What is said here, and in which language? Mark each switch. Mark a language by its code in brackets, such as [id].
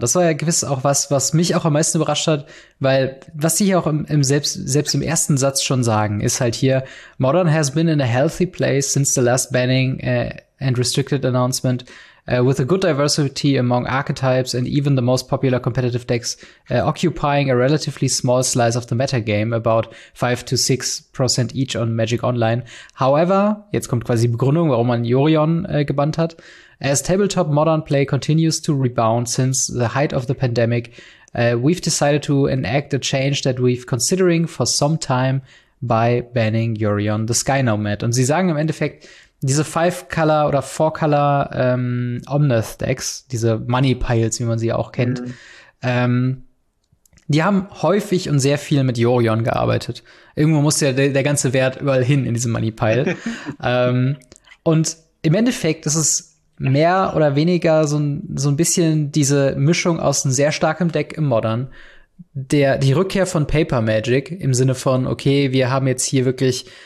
[de] Das war ja gewiss auch was mich auch am meisten überrascht hat, weil was sie hier auch selbst im ersten Satz schon sagen, ist halt hier, [en] Modern has been in a healthy place since the last banning and restricted announcement, with a good diversity among archetypes and even the most popular competitive decks occupying a relatively small slice of the metagame, about 5-6% each on Magic Online. [de] However, jetzt kommt quasi die Begründung, warum man Jorion gebannt hat. [en] As tabletop modern play continues to rebound since the height of the pandemic, we've decided to enact a change that we've considering for some time by banning Jorion the Sky Nomad. [de] Und sie sagen im Endeffekt, diese Five-Color oder Four-Color Omnath-Decks, diese Money-Piles, wie man sie auch kennt, die haben häufig und sehr viel mit Jorion gearbeitet. Irgendwo musste ja der ganze Wert überall hin in diesem Money-Pile. und im Endeffekt ist es mehr oder weniger so ein bisschen diese Mischung aus einem sehr starkem Deck im Modern, die Rückkehr von Paper Magic im Sinne von, okay, wir haben jetzt hier wirklich